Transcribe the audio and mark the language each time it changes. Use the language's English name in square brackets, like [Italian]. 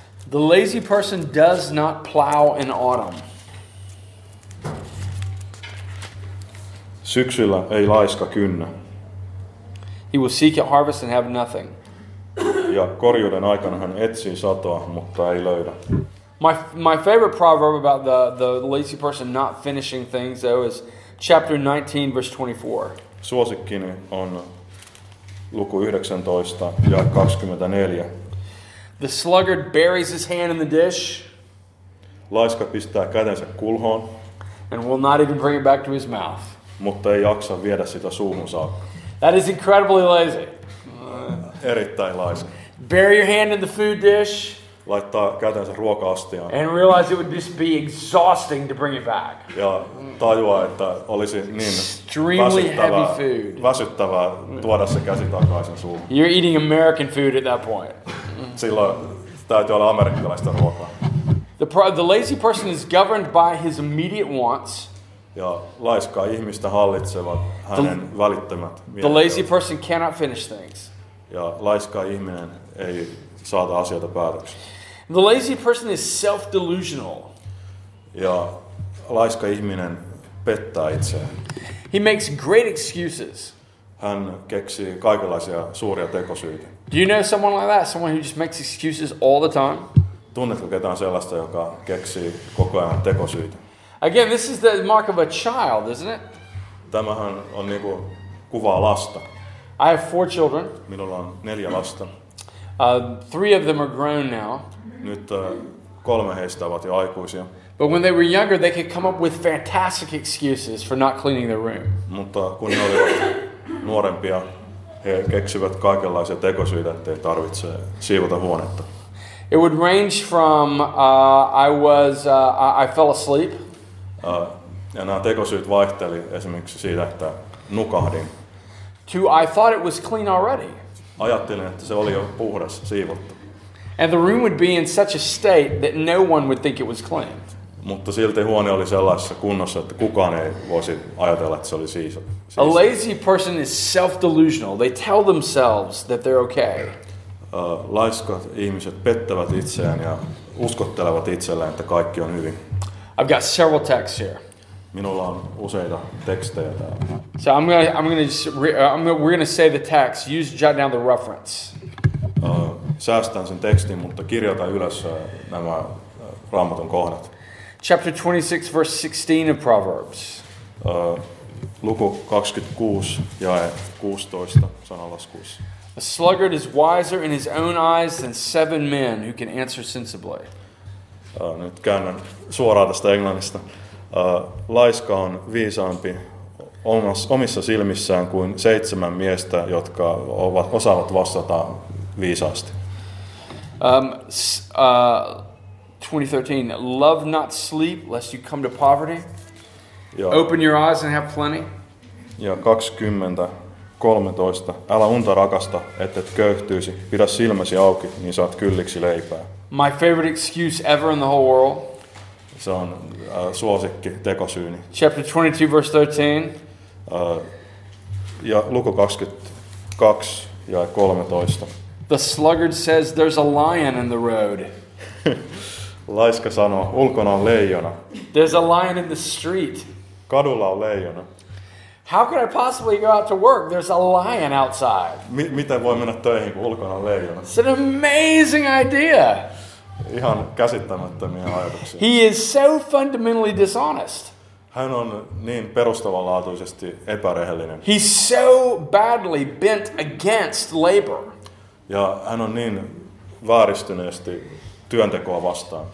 [English] The lazy person does not plow in autumn. [Finnish] Syksyllä ei laiska kynnä. [English] He will seek at harvest and have nothing. [Finnish] Ja korjuuden aikana hän etsii satoa, mutta ei löydä. [English] My favorite proverb about the lazy person not finishing things though is chapter 19 verse 24. [Finnish] Suosikkini on luku 19 ja 24. [English] The sluggard buries his hand in the dish. [Finnish] Laiska pistää kätensä kulhoon. [English] And will not even bring it back to his mouth. [Finnish] Mutta ei jaksa viedä sitä suuhun saakka. [English] That is incredibly lazy. [Finnish] Erittäin laiska. [English] Bury your hand in the food dish. [Finnish] Laittaa kätensä ruoka-astiaan. [English] And realize it would just be exhausting to bring it back. [Finnish] Ja tajua, että olisi niin väsyttävää tuoda se käsi takaisin suuhun. [English] You're eating American food at that point. [Finnish] Silloin täytyy olla amerikkalaista ruokaa. [English] The lazy person is governed by his immediate wants. [Finnish] Ja laiskaa ihmistä hallitsevat hänen välittömät. [English] The lazy person cannot finish things. [Finnish] Ja laiskaa ihminen ei saada asioita päätöksi. [English] The lazy person is self-delusional. [Finnish] Ja laiska ihminen pettää itseään. [English] He makes great excuses. [Finnish] Hän keksii kaikenlaisia suuria tekosyitä. [English] Do you know someone like that? Someone who just makes excuses all the time? [Finnish] Tunnetko ketään sellaista, joka keksii koko ajan tekosyitä? [English] Again, this is the mark of a child, isn't it? [Finnish] Tämähän on niinku kuvaa lasta. [English] I have 4 children. [Finnish] Minulla on 4 lasta. [English] Three of them are grown now. [Finnish] Nyt kolme heistä ovat jo aikuisia. [English] But when they were younger, they could come up with fantastic excuses for not cleaning their room. [Finnish] Mutta kun he olivat nuorempia, he keksivät kaikenlaisia tekosyitä, ettei tarvitse siivota huonetta. [English] It would range from I fell asleep. [Finnish] Ja nämä tekosyyt vaihteli esimerkiksi siitä, että nukahdin. [English] To I thought it was clean already. [Finnish] Ajattelin, että se oli jo puhdas, siivottu. [English] And the room would be in such a state that no one would think it was clean. [Finnish] Mutta silti huone oli sellaisessa kunnossa, että kukaan ei voisi ajatella, että se oli siisti. [English] A lazy person is self-delusional. They tell themselves that they're okay. [Finnish] Laiskat ihmiset pettävät itseään ja uskottelevat itselleen, että kaikki on hyvin. [English] I've got several texts here. [Finnish] Minulla on useita tekstejä täällä. [English] So we're gonna say the text. You just jot down the reference. [Finnish] Säästän sen tekstin, mutta kirjoitan ylös nämä Raamatun kohdat. [English] Chapter 26, verse 16 of Proverbs. [Finnish] Luku 26, jae 16, sanalaskuissa. [English] A sluggard is wiser in his own eyes than 7 men who can answer sensibly. [Finnish] Nyt käännän suoraan tästä englannista. Laiska on viisaampi omissa silmissään kuin 7 miestä, jotka osaavat vastata viisaasti. [English] 2013, love not sleep lest you come to poverty. Ja, open your eyes and have plenty. [Finnish] Ja 20:13, älä unta rakasta, ettet köyhtyisi, pidä silmäsi auki, niin saat kylliksi leipää. [English] My favorite excuse ever in the whole world. [Finnish] Se on suosikki tekosyyni. [English] Chapter 22, verse 13. [Finnish] Ja luku 22, jae 13. [English] The sluggard says there's a lion in the road. [Finnish] Laiska sanoo, ulkona on leijona. [English] There's a lion in the street. [Finnish] Kadulla on leijona. [English] How could I possibly go out to work? There's a lion outside. [Finnish] Miten voi mennä töihin, kun ulkona on leijona? [English] It's an amazing idea. [Finnish] Ihan käsittämättömiä ajatuksia. [English] He is so fundamentally dishonest. [Finnish] Hän on niin perustavanlaatuisesti epärehellinen. [English] He's so badly bent against labor. [Finnish] Ja hän on niin vääristyneesti työntekoa vastaan.